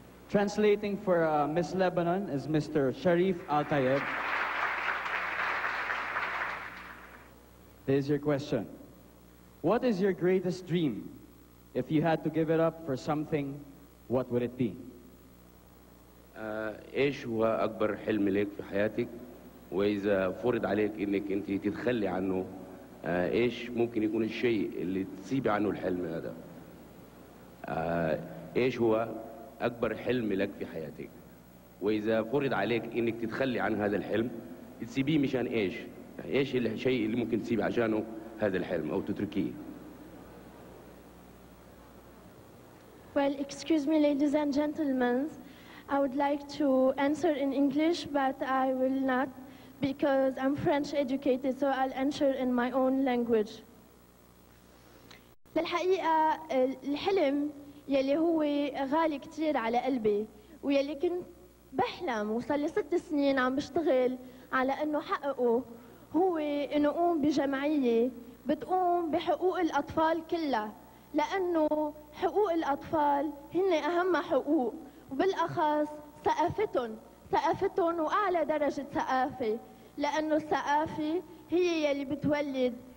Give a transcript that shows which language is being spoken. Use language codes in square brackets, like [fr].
[en] Translating for Miss Lebanon is Mr. Sharif Altayeb. Here's your question. What is your greatest dream? If you had to give it up for something, what would it be? [ar] إيش هو أكبر حلم لك في حياتك؟ وإذا فرض عليك إنك أنت تتخلي عنه، إيش ممكن يكون الشيء اللي تسيبي عنه الحلم هذا؟ إيش هو أكبر حلم لك في حياتك؟ وإذا فرض عليك إنك تتخلي عن هذا الحلم، تسيبيه مشان إيش؟ ايش الشيء اللي ممكن تسيب عشانه هذا الحلم او تتركيه؟ [en] Well, excuse me, ladies and gentlemen. I would like to answer in English, but I will not because I'm French educated, so I'll answer in my own language. [ar] للحقيقة الحلم يلي هو غالي كتير على قلبي ويلي كنت بحلم وصلي 6 سنين عم بشتغل على انه حققه هو إنه قوم بجمعية بتقوم بحقوق الأطفال كلها لأنه حقوق الأطفال هن أهم حقوق وبالأخص ثقافتهم وأعلى درجة ثقافة لأنه الثقافة هي يلي بتولد